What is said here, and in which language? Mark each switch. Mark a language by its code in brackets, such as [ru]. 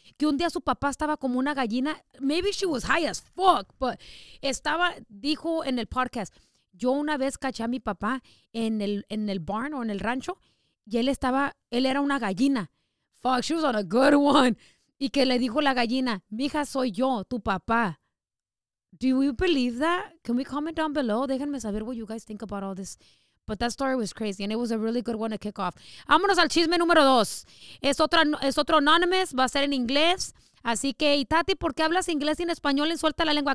[es] Que un día su papá estaba como una gallina. [en] Maybe she was high as fuck, but [es] estaba, dijo en el podcast. Yo una vez caché a mi papá en el barn o en el rancho y él era una gallina. [en] Fuck, she was on a good one. [es] Y que le dijo la gallina, mija, soy yo, tu papá. [en] Do we believe that? Can we comment down below? [es] Déjenme saber [en] what you guys think about all this. But that story was crazy and it was a really good one to kick off. [es] Vámonos al chisme número dos. Es otro anonymous, va a ser en inglés. Así que, Itati, ¿por qué hablas inglés y en español y suelta la lengua?